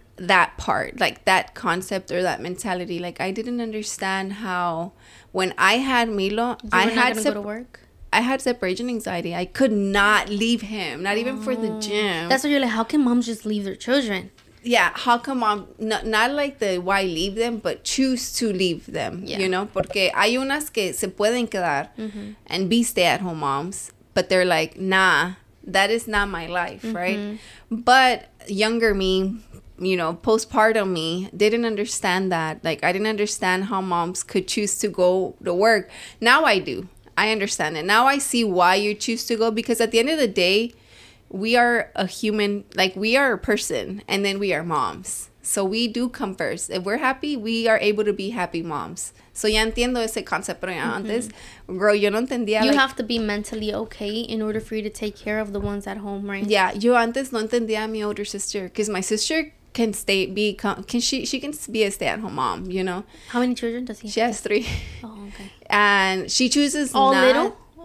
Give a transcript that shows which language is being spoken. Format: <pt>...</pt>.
<en>That part, like that concept or that mentality. Like, I didn't understand how when I had Milo, I had separation anxiety. I could not leave him, not even for the gym. That's what you're like, how can moms just leave their children? Yeah, how come mom, not like the why leave them, but choose to leave them, yeah. you know?</en> <es>Porque hay unas que se pueden quedar mm-hmm.</es> <en>and be stay-at-home moms, but they're like, nah, that is not my life, mm-hmm. right? But younger me, you know, postpartum me, didn't understand that. Like, I didn't understand how moms could choose to go to work. Now I do. I understand it. Now I see why you choose to go, because at the end of the day, we are a human, like, we are a person, and then we are moms. So we do come first. If we're happy, we are able to be happy moms.</en> <es>So ya entiendo ese concepto, pero ya antes, girl, yo no entendía.</es> <en>You have to be mentally okay in order for you to take care of the ones at home, right? Yeah,</en> <es>yo antes no entendía a mi</es> <en>older sister, because my sister can stay, she can be a stay-at-home mom, you know? How many children does he have? She has three. Oh, okay. And she chooses all not, little?</en>